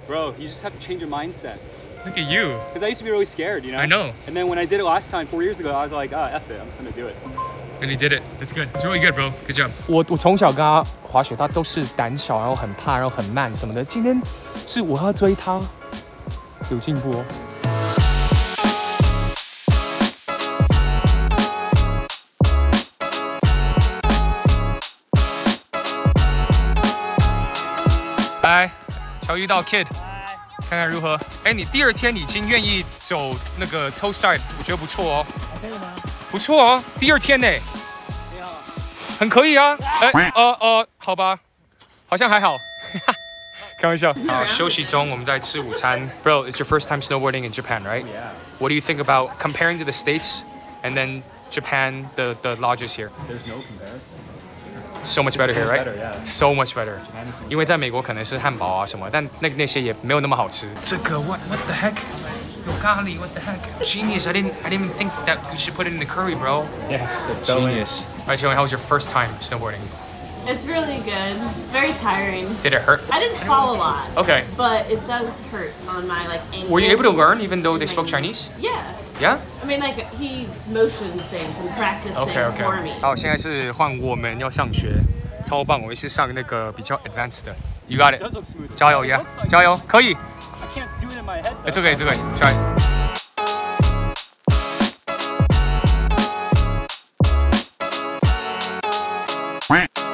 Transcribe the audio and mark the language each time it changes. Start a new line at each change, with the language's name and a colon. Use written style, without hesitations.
English: Bro, you just have to change your mindset. Look at you. Because I used to be really scared, you know? I know. And then when I did it last time, 4 years ago, I was like, ah, F it, I'm gonna do it. And you did it. That's good. It's really good, bro. Good job.
Chinese: 我从小跟他滑雪，他都是胆小，然后很怕，然后很慢什么的。今天是我要追他，有进步哦。来。乔遇到 Kid， 看看如何。哎，你第二天已经愿意走那个 toe side， 我觉得不错哦。可以吗？不错哦，第二天呢？你好。很可以啊。哎，好吧，好像还好。开玩笑。好，休息中，我们在吃午餐。
English: Bro, it's your first time snowboarding in Japan, right? Yeah. What do you think about comparing to the States and then Japan, the lodges here? There's no comparison. So much better here, right? Better, yeah. So much better.
Chinese: 因为在美国可能是汉堡啊什么，但那些也没有那么好吃。这个
English: what the heck?
Chinese: 有咖喱
English: what the heck? Genius, I didn't even think that you should put it in the curry, bro. Yeah, genius. Alright, Joey, how was your first time snowboarding? It's really good. It's very tiring. Did it hurt? I didn't fall a lot. Okay. But it does hurt on my like ankle. Were you able to learn even though they spoke Chinese? Yeah. Yeah? I mean, like, he motions things and practices okay, okay. for me.
Chinese: 好，现在是换我们要上学，超棒！我也是上那个比较 advanced 的。
English: You got it. It does look smooth.
Chinese: 加油 ，
English: Yeah.
Chinese: 加油，可以。
English: I can't do it in my head. It's okay, it's okay. Try.